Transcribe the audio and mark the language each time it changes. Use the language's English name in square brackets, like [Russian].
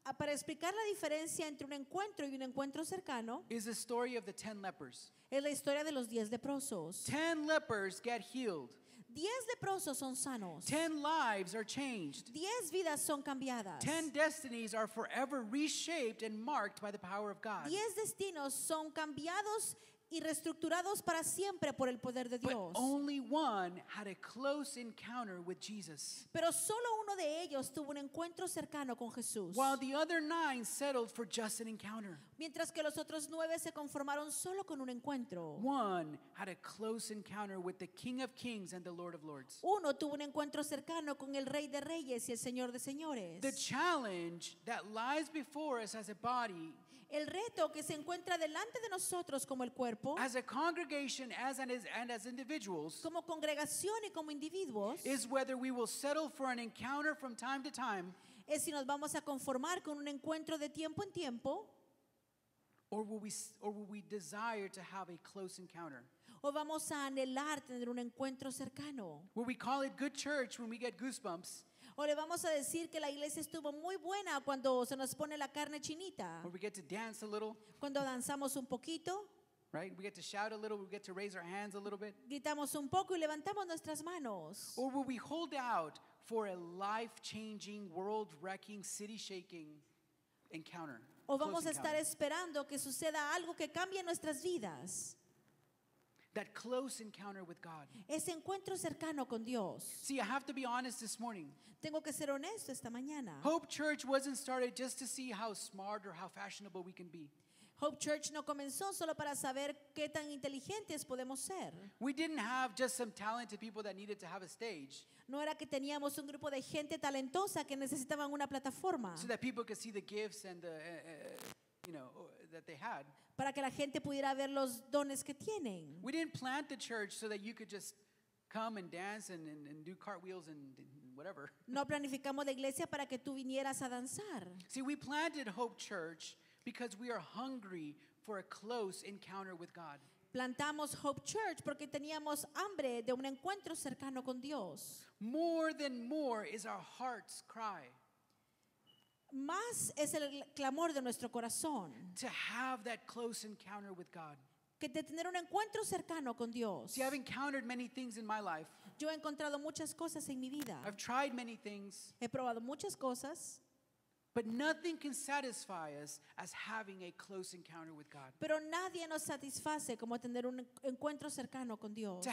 [Spanish] Para explicar la diferencia entre un encuentro y un encuentro cercano. [English] Is the story of the 10 lepers. [Spanish] Es la historia de los 10 leprosos. [English] 10 lepers get healed. [Spanish] 10 leprosos son sanos. [English] 10 lives are changed. [Spanish] 10 vidas son cambiadas. [English] 10 destinies are forever reshaped and marked by the power of God. [Spanish] 10 destinos son cambiados y reestructurados para siempre por el poder de Dios. [English] But only one had a close encounter with Jesus. [Spanish] Pero solo uno de ellos tuvo un encuentro cercano con Jesús. [English] While the other nine settled for just an encounter. [Spanish] Mientras que los otros nueve se conformaron solo con un encuentro. [English] One had a close encounter with the King of Kings and the Lord of Lords. [Spanish] Uno tuvo un encuentro cercano con el Rey de Reyes y el Señor de Señores. [English] The challenge that lies before us as a body. [Spanish] El reto que se encuentra delante de nosotros como el cuerpo, [English] as a congregation and as individuals, [Spanish] como congregación y como individuos, [English] is whether we will settle for an encounter from time to time, [Spanish] es si nos vamos a conformar con un encuentro de tiempo en tiempo, [English] or will we desire to have a close encounter. [Spanish] O vamos a anhelar tener un encuentro cercano. [English] Will we call it good church when we get goosebumps? [Spanish] O le vamos a decir que la iglesia estuvo muy buena cuando se nos pone la carne chinita. [English] Or we get to dance a little. [Spanish] Cuando danzamos un poquito. [English] Right? We get to shout a little, we get to raise our hands a little bit. [Spanish] Gritamos un poco y levantamos nuestras manos. [English] Or will we hold out for a life-changing, world-wrecking, city-shaking encounter? [Spanish] O vamos a estar esperando que suceda algo que cambie nuestras vidas. [English] That close encounter with God. [Spanish] Ese encuentro cercano con Dios. [English] See, I have to be honest this morning. [Spanish] Tengo que ser honesto esta mañana. [English] Hope Church wasn't started just to see how smart or how fashionable we can be. [Spanish] Hope Church no comenzó solo para saber qué tan inteligentes podemos ser. [English] We didn't have just some talented people that needed to have a stage. [Spanish] No era que teníamos un grupo de gente talentosa que necesitaban una plataforma. [English] So that people could see the gifts and the that they had. [Spanish] Para que la gente pudiera ver los dones que tienen. [English] We didn't plant the church so that you could just come and dance and do cartwheels and whatever. [Spanish] No planificamos la iglesia para que tú vinieras a danzar. [English] See, we planted Hope Church because we are hungry for a close encounter with God. [Spanish] Plantamos Hope Church porque teníamos hambre de un encuentro cercano con Dios. [English] More than more is our heart's cry. [Spanish] Más es el clamor de nuestro corazón. [English] To have that close encounter with God. [Spanish] Que de tener un encuentro cercano con Dios. [English] See, I've encountered many things in my life. [Spanish] Yo he encontrado muchas cosas en mi vida. [English] I've tried many things. [Spanish] He probado muchas cosas. [English] But nothing can satisfy us as having a close encounter with God. [Spanish] Pero nadie nos satisface como tener un encuentro cercano con Dios.